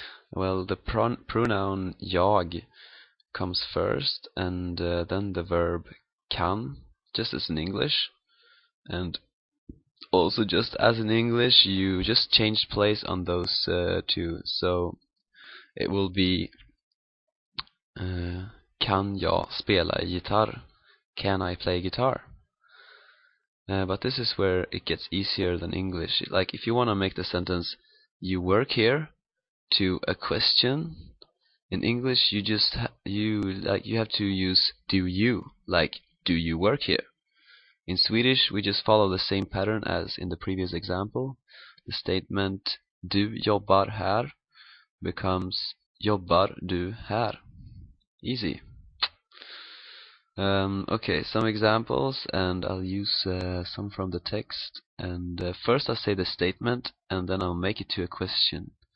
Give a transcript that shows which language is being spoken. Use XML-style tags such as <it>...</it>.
<en>Well, the pronoun jag comes first, and then the verb kan, just as in English. And also, just as in English, you just change place on those two. So it will be</en> <sv>kan jag spela gitarr?</sv> <en>Can I play guitar? But this is where it gets easier than English. Like, if you want to make the sentence you work here to a question, in English you just you have to use do you, like do you work here. In Swedish we just follow the same pattern as in the previous example. The statement</en> <sv>du jobbar här</sv> <en>becomes</en> <sv>jobbar du här.</sv> <en>Easy. Okay, some examples, and I'll use some from the text. And first I'll say the statement, and then I'll make it to a question.</en>